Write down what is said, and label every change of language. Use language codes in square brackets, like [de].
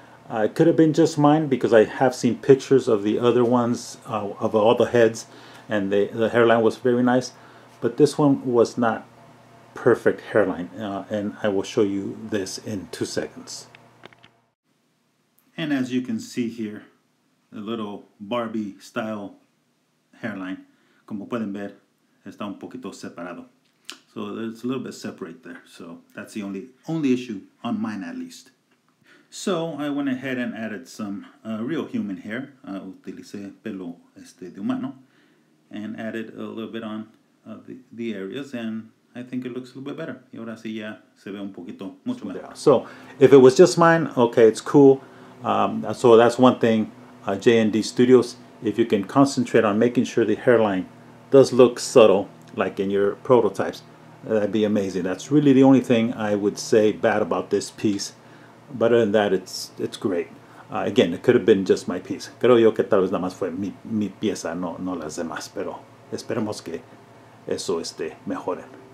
[en] It could have been just mine because I have seen pictures of the other ones, of all the heads, and the hairline was very nice. But this one was not perfect hairline, and I will show you this in 2 seconds. And as you can see here, a little Barbie style hairline. [es] Como pueden ver, está un poquito separado. [en] So there's a little bit separate there. So that's the only issue on mine, at least. So I went ahead and added some real human hair. [es] Utilicé pelo de humano. [en] And added a little bit on the areas. And I think it looks a little bit better. [es] Y ahora sí ya se ve un poquito mucho mejor. [en] So if it was just mine, okay, it's cool. So that's one thing, J&D Studios, if you can concentrate on making sure the hairline does look subtle, like in your prototypes, that'd be amazing. That's really the only thing I would say bad about this piece. But other than that, it's great. Again, it could have been just my piece. [es] Creo yo que tal vez nada más fue mi pieza, no las demás, pero esperemos que eso mejoren.